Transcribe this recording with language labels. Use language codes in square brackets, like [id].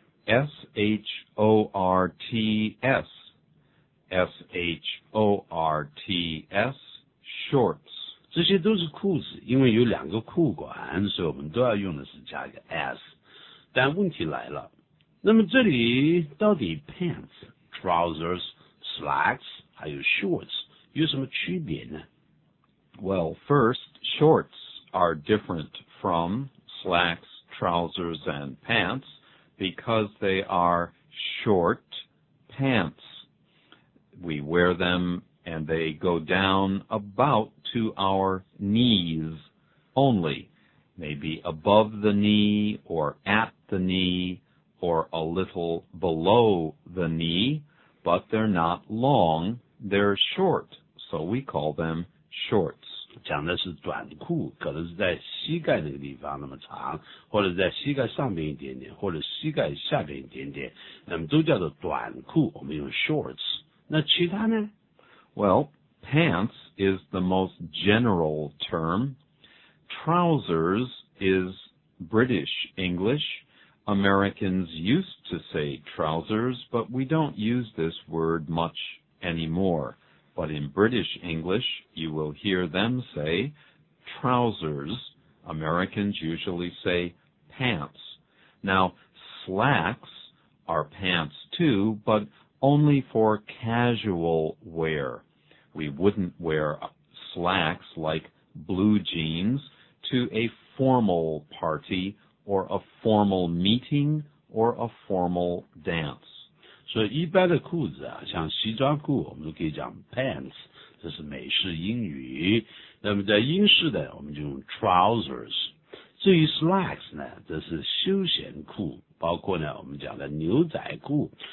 [en] S-H-O-R-T-S, S-H-O-R-T-S, shorts. [zh] 这些都是裤子，因为有两个裤管，所以我们都要用的是加一个 S。但问题来了，那么这里到底 pants, trousers, slacks, 还有 shorts? 有什么区别呢? [en] Well, first, shorts are different from slacks, trousers, and pants because they are short pants. We wear them and they go down about to our knees only, maybe above the knee or at the knee or a little below the knee, but they're not long, they're short. So we call them shorts. [zh] 讲的是短裤，可能是在膝盖那个地方那么长，或者在膝盖上面一点点，或者膝盖下面一点点，那么都叫做短裤，我们用 shorts. 那其他呢？ [en] Well, pants is the most general term. Trousers is British English. Americans used to say trousers, but we don't use this word much anymore. But in British English, you will hear them say trousers. Americans usually say pants. Now, slacks are pants too, but only for casual wear. We wouldn't wear slacks like blue jeans to a formal party or a formal meeting or a formal dance. [zh] 所以一般的裤子啊，像西装裤，我们都可以讲 pants， 这是美式英语。那么在英式的，我们就用 trousers。至于 slacks 呢，这是休闲裤，包括呢我们讲的牛仔裤。